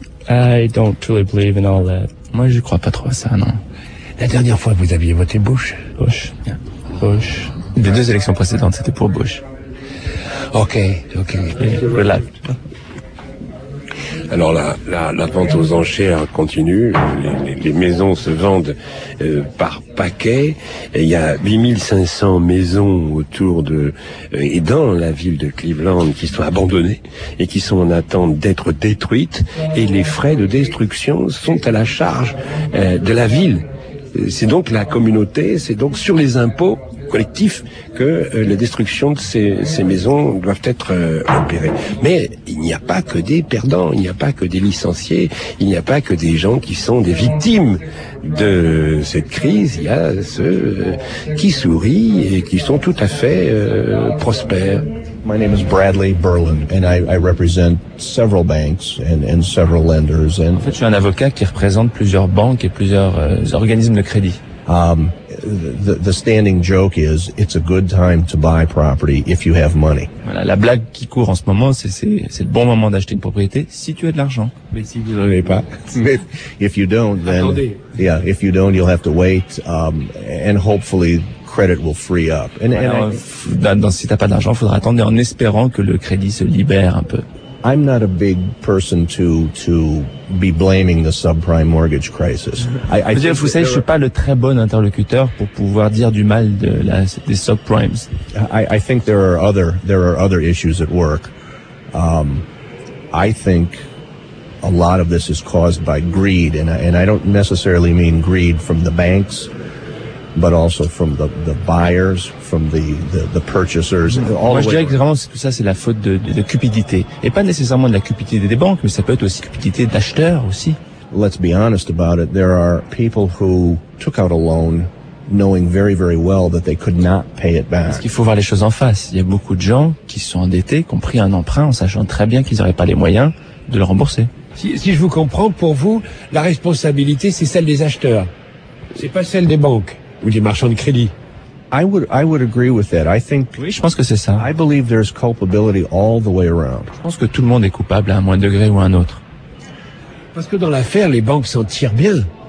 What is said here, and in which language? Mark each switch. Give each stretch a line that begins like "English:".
English: I don't truly believe in all that.
French: Moi, je crois pas trop à ça, non. La dernière fois, vous aviez voté Bush.
English: Bush. Yeah. Bush.
French: Des deux élections précédentes, c'était pour Bush. Ok, ok.
English: Relax.
French: Alors la vente aux enchères continue, les maisons se vendent par paquets, et il y a 8500 maisons autour de et dans la ville de Cleveland qui sont abandonnées et qui sont en attente d'être détruites, et les frais de destruction sont à la charge de la ville. C'est donc la communauté, c'est donc sur les impôts collectif que la destruction de ces maisons doivent être opérées. Mais il n'y a pas que des perdants, il n'y a pas que des licenciés, il n'y a pas que des gens qui sont des victimes de cette crise. Il y a ceux qui sourient et qui sont tout à fait prospères.
English: My name is Bradley Berlin, and I represent several banks and several lenders. And
French: en fait, je suis un avocat qui représente plusieurs banques et plusieurs organismes de crédit.
English: The standing joke is it's a good time to buy property if you have money.
French: Voilà, la blague qui court en ce moment, c'est le bon moment d'acheter une propriété si tu as de l'argent. Mais si vous n'en avez pas.
English: If you don't, then
French: attendez.
English: Yeah, if you don't, you'll have to wait and hopefully credit will free up.
French: Si t'as pas d'argent, faudra attendre en espérant que le crédit se libère un peu.
English: I'm not a big person to be blaming the subprime mortgage crisis.
French: Vous savez, je suis pas le très bon interlocuteur pour pouvoir dire du mal de des subprimes.
English: I think there are other issues at work. I think a lot of this is caused by greed, and I don't necessarily mean greed from the banks, but also from the buyers, from the purchasers.
French: Moi, je dirais que vraiment, tout ça, c'est la faute de cupidité. Et pas nécessairement de la cupidité des banques, mais ça peut être aussi cupidité d'acheteurs aussi.
English: Let's be honest about it. There are people who took out a loan knowing very, very well that they could not pay it back.
French: Parce qu'il faut voir les choses en face. Il y a beaucoup de gens qui sont endettés, qui ont pris un emprunt en sachant très bien qu'ils n'auraient pas les moyens de le rembourser. Si je vous comprends, pour vous, la responsabilité, c'est celle des acheteurs. C'est pas celle des banques. Ou des marchands de crédit.
English: I would agree with that. I think.
French: Oui, je pense que c'est ça.
English: I believe there's culpability all the way around.
French: Je pense que tout le monde est coupable à un moindre degré ou à un autre. Parce que dans l'affaire, les banques s'en tirent bien.